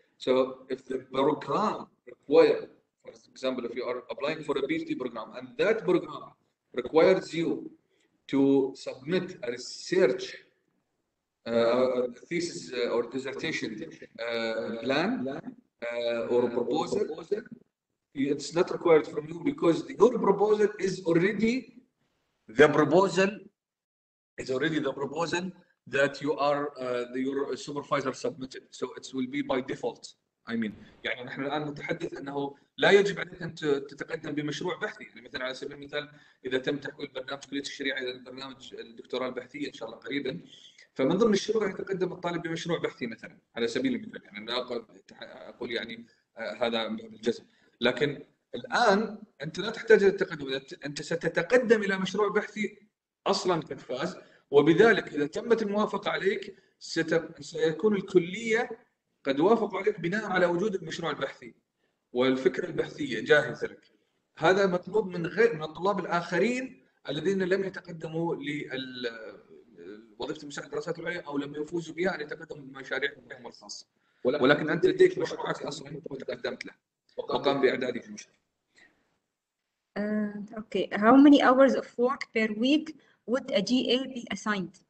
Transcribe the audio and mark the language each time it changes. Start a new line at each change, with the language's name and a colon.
English: So if the program requires, for example, if you are applying for a PhD program and that program requires you to submit a research a thesis or dissertation plan or a proposal, it's not required from you because your proposal is already the proposal, it's already the proposal that you are your supervisor submitted, so it will be by default. I mean,
Arabic: يعني نحن الآن نتحدث أنه لا يجب عليك أن تتقدم بمشروع بحثي، يعني مثلا على سبيل المثال إذا تم تحويل برنامج كلية الشريعة إلى برنامج الدكتوراه البحثية إن شاء الله قريبا، فمن ضمن الشروع أن يتقدم الطالب بمشروع بحثي مثلا على سبيل المثال، يعني أنا أقول يعني هذا بالجزم، لكن الآن أنت لا تحتاج إلى التقدم، أنت ستتقدم إلى مشروع بحثي أصلا كفاز، وبذلك إذا تمت الموافقة عليك سيكون الكلية قد وافقوا عليك بناء على وجود المشروع البحثي والفكرة البحثية جاهزة لك. هذا مطلوب من غير من الطلاب الآخرين الذين لم يتقدموا لوظيفة مساعد الدراسات العليا أو لم يفوزوا بها أن يتقدموا بمشاريعهم الخاصة، ولكن أنت لديك مشروع أصلا تقدمت له وقام بإعدادي في المشروع.
English: Okay, how many hours of work per week would a GA be assigned?